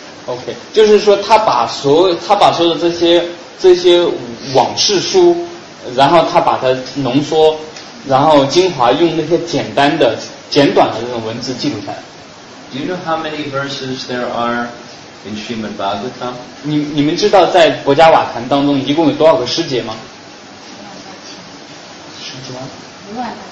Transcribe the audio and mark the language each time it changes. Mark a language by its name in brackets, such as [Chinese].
[Chinese] OK 就是说他把所有的这些往事书然后他把它浓缩然后精华用那些简短的这种文字记录下来 [English] Do you know how many verses there are in Srimad Bhagavatam? [Chinese] 你们知道在博迦瓦坛当中一共有多少个诗节吗十几万